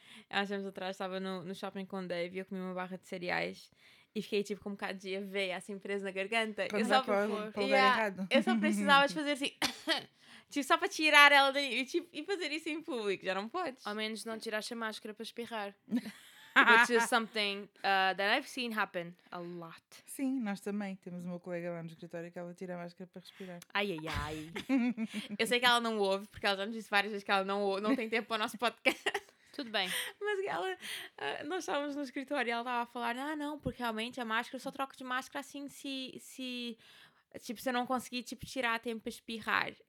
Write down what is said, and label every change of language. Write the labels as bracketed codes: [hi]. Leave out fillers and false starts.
[pt] Há uns anos atrás estava no shopping com o Dave e eu comi uma barra de cereais e fiquei tipo com um bocado de aveia assim presa na garganta. Quando dá para o lugar errado. Eu só precisava de fazer assim. Tipo, só para tirar ela daí tipo, e fazer isso em público. Já não podes. Ao menos não tiraste a máscara para espirrar. [en] which is something that I've seen happen a lot. [pt] Sim, nós também. Temos uma colega lá no escritório que ela tira a máscara para respirar. Ai, ai, ai. Eu sei que ela não ouve, porque ela já nos disse várias vezes que ela não tem tempo para o nosso podcast. Tudo bem. Mas ela, nós estávamos no escritório e ela estava a falar, ah, não, porque realmente a máscara, eu só troco de máscara assim se eu não conseguir, tipo, tirar tempo para espirrar.